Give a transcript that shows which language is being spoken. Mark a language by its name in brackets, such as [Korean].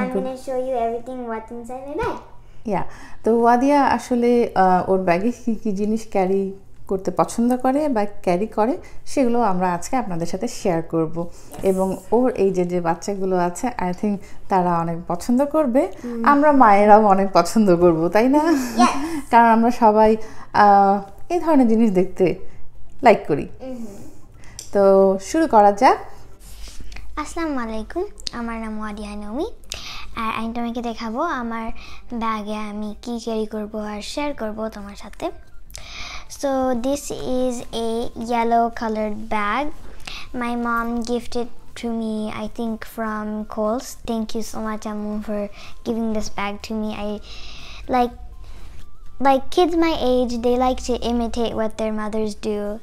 [English] So I'm going to show you everything what's inside my bag. Yeah. [Bangla] তো ওয়াদিয়া আসলে ওর ব্যাগে কি কি জিনিস ক্যারি করতে পছন্দ করে বা ক্যারি করে সেগুলো আমরা আজকে আপনাদের সাথে শেয়ার করব। এবং ওর এই যে বাচ্চাগুলো আছে আই থিঙ্ক তারা অনেক পছন্দ করবে, আমরা মায়েরাও অনেক পছন্দ করব, তাই না? কারণ আমরা সবাই এই ধরনের জিনিস দেখতে লাইক করি। তো শুরু করা যাক। আসসালামু আলাইকুম, আমার নাম ওয়াদিয়া নমি, আর আমি তোমাকে দেখাবো আমার ব্যাগে আমি কি ক্যারি করব আর শেয়ার করব তোমার সাথে। [English] So this is a yellow colored bag. My mom gifted to me, I think from Kohl's. Thank you so much, Amu, for giving this bag to me. I like kids my age, they like to imitate what their mothers do.